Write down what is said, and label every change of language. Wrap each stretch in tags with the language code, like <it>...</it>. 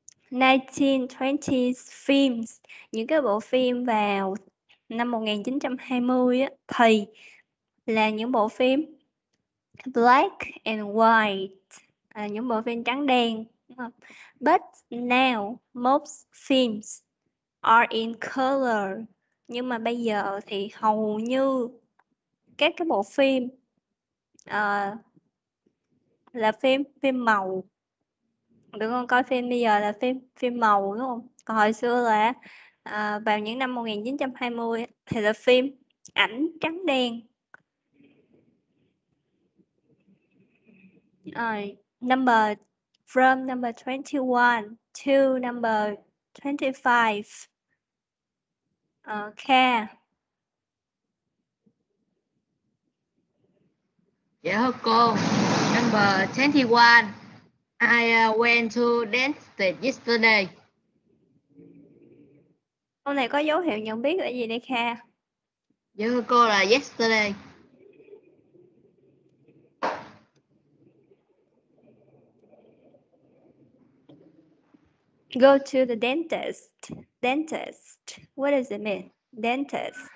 <en>1920s films,</en> <vi>những cái bộ phim vào năm 1920 á, thì là những bộ phim</vi> <en>black and white,</en> <vi>à, những bộ phim trắng đen.</vi> <en>But now most films are in color.</en> <vi>Nhưng mà bây giờ thì hầu như các cái bộ phim là phim phim màu. Đúng không? Coi phim bây giờ là phim phim màu đúng không? Còn hồi xưa là vào những năm 1920 thì là phim ảnh trắng đen. Rồi,</vi> <en>from number 21 to number 25. Okay. Dạ yeah, cô, number 21. I went to dance yesterday.</en> <vi>Câu này có dấu hiệu nhận biết là gì đây Kha? Dạ thưa cô là yesterday.</vi> <en>Go to the dentist. Dentist. What does it mean? Dentist.</en>